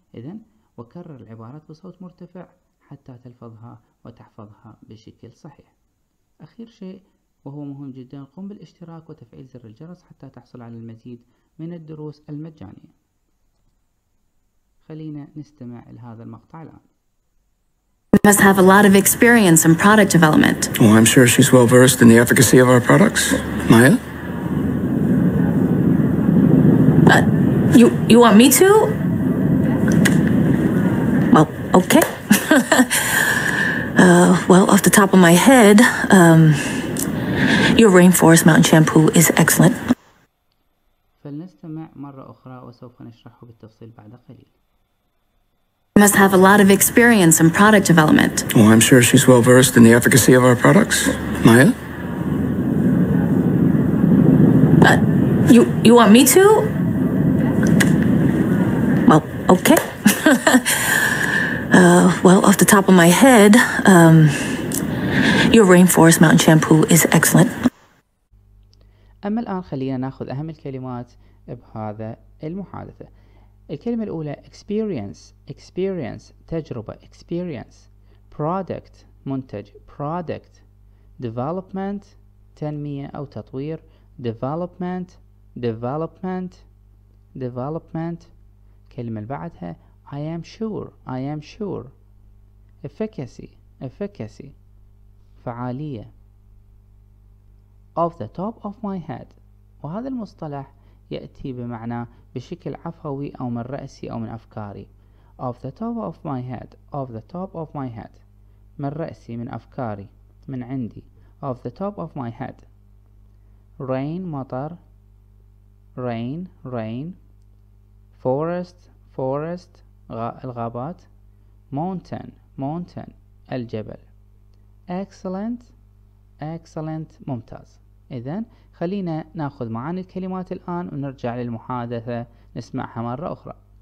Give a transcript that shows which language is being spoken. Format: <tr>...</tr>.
<ar>إذن وكرر العبارات بصوت مرتفع حتى تلفظها وتحفظها بشكل صحيح. أخير شيء وهو مهم جدا، قم بالاشتراك وتفعيل زر الجرس حتى تحصل على المزيد من الدروس المجانية. خلينا نستمع لهذا المقطع الآن.</ar> <en>Must have a lot of experience in product development. Well, I'm sure she's well versed in the efficacy of our products. Maya? You want me to? Well, okay. well, off the top of my head, your Rainforest Mountain Shampoo is excellent.</en> <ar>فلنستمع مرة أخرى وسوف نشرحه بالتفصيل بعد قليل.</ar> <en>Must have a lot of experience in product development. Well, I'm sure she's well versed in the efficacy of our products. Maya? You want me to? Okay. well, off the top of my head, your Rainforest Mountain Shampoo is excellent.</en> <ar>أما الآن خلينا نأخذ أهم الكلمات بهذا المحادثة. الكلمة الأولى experience. Experience تجربة.</ar> <en>Experience product منتج.</en> <ar>Product development تنمية أو تطوير.</ar> <en>Development development development. كلمة بعدها I am sure. I am sure. Efficacy. Efficacy. فعالية. Off the top of my head.</en> <ar>وهذا المصطلح يأتي بمعنى بشكل عفوي أو من رأسي أو من أفكاري.</ar> <en>Off the top of my head. Off the top of my head.</en> <ar>من رأسي، من أفكاري، من عندي.</ar> <en>Off the top of my head. Rain. مطر. Rain. Rain. Forest. Forest الغابات. Mountain mountain الجبل. Excellent excellent ممتاز.</en> <ar>إذن خلينا نأخذ معاني الكلمات الآن ونرجع للمحادثة نسمعها مرة أخرى.</ar>